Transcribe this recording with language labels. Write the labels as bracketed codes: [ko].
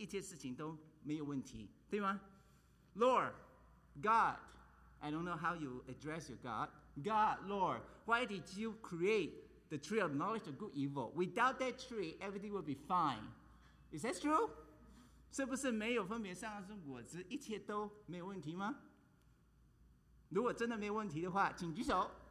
[zh] 通常武侠小说都是这样子的。那今天我们看这本书里面，是不是有同样的情节呢？好，我们一起来看。通常我们会问上帝啊，你为什么要把分别善恶树上的果子造出来？如果你没有造分别善恶树上的果子，那一切事情都没有问题，对吗？ [en] Lord, God. I don't know how you address your God. God, Lord, why did you create the tree of knowledge of good and evil? Without that tree, everything will be fine. Is that true? [zh] 是不是没有分别善恶树果子，一切都没有问题吗？如果真的没有问题的话，请举手。